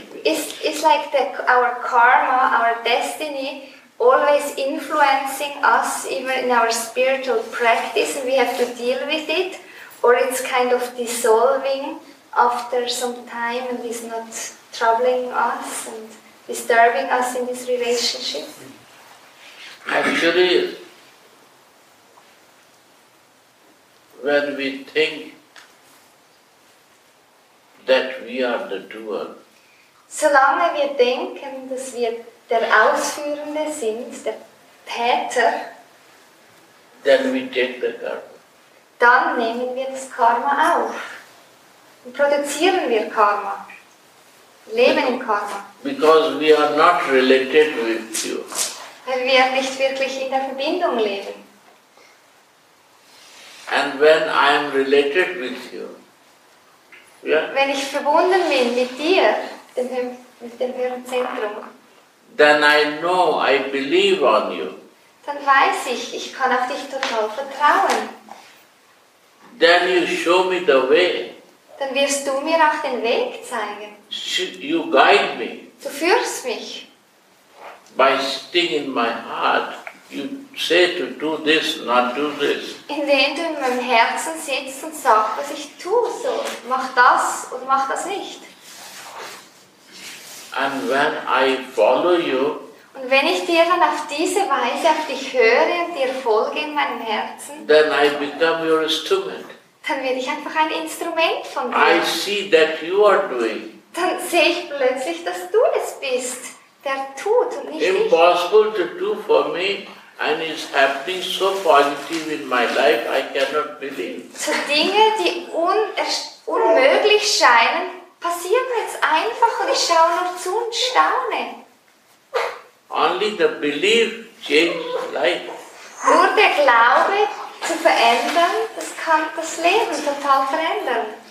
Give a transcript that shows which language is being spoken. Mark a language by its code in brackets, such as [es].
[en] It's like the, our karma, our destiny, always influencing us even in our spiritual practice, and we have to deal with it, or it's kind of dissolving after some time and is not troubling us and disturbing us in this relationship? Actually, when we think that we are the doer, [de] solange wir denken, dass wir der Ausführende sind, der Täter, [en] then we take the karma. [de] Dann nehmen wir das Karma auf. Und produzieren wir Karma. Leben im Karma. [en] Because we are not related with you. [de] Weil wir nicht wirklich in der Verbindung leben. [en] And when I am related with you, yeah? [de] Wenn ich verbunden bin mit dir, mit dem höheren Zentrum, [en] then I know, I believe on you. [de] Dann weiß ich, ich kann auf dich total vertrauen. [en] Then you show me the way. [de] Dann wirst du mir auch den Weg zeigen. [en] You guide me. [de] Du führst mich. [en] By sting in my heart, you say to do this, not do this. [de] Indem du in meinem Herzen sitzt und sagst, was ich tue, so mach das oder mach das nicht. [en] And when I follow you, [de] und wenn ich dir dann auf diese Weise auf dich höre und dir folge in meinem Herzen, [en] then I become your instrument. [de] Dann werde ich einfach ein Instrument von dir. [en] I see that you are doing. [de] Dann sehe ich plötzlich, dass du es bist, der tut und nicht [en] impossible [de] ich. [en] To do for me. And it's happening so positive in my life, I cannot believe. [de] So Dinge, die unmöglich scheinen, passieren jetzt einfach und ich schaue nur zu und staune. Only the belief changes life. Nur der Glaube zu verändern, das kann das Leben total verändern.